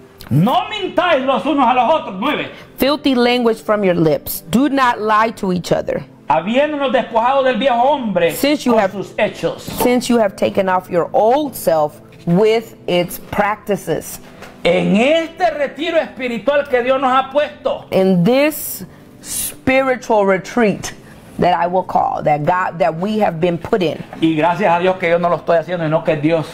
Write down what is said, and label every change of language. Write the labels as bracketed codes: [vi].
[es] No mintáis los unos a los otros. 9. [en] Filthy language from your lips. Do not lie to each other. [es] Habiéndonos despojado del viejo hombre sus hechos. [en] Since you have taken off your old self with its practices. [es] En este retiro espiritual que Dios nos ha puesto. [en] In this spiritual retreat that I will call, that we have been put in. [es] Y gracias a Dios que yo no lo estoy haciendo, sino que es Dios.